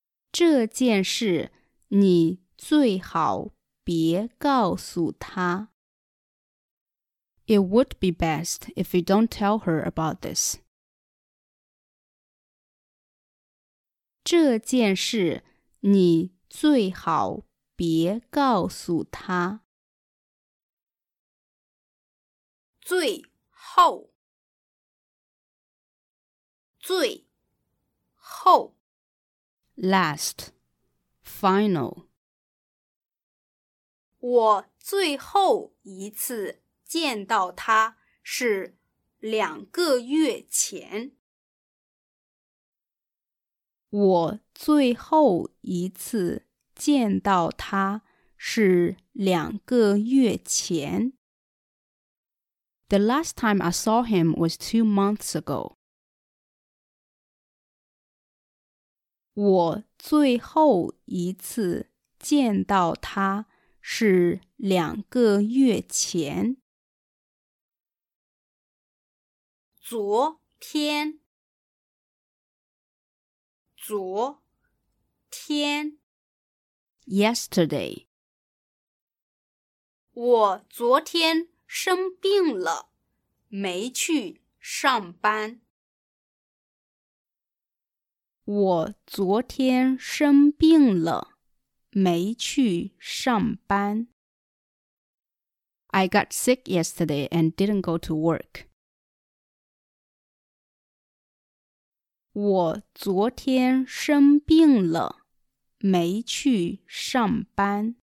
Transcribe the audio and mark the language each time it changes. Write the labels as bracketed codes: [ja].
[zh] 这件事你最好别告诉他。 [en] It would be best if you don't tell her about this. [zh] 这件事你最好别告诉他。最后，最后 [en] ，last, final。 [zh] 我最后一次见到他是两个月前。我最后一次见到他是两个月前。 [en] The last time I saw him was 2 months ago. [zh] 我最后一次见到他是两个月前。昨天，昨天 [en] ，Yesterday。 [zh] 我昨天生病了，没去上班。我昨天生病了，没去上班。 [en] I got sick yesterday and didn't go to work. [zh] 我昨天生病了，没去上班。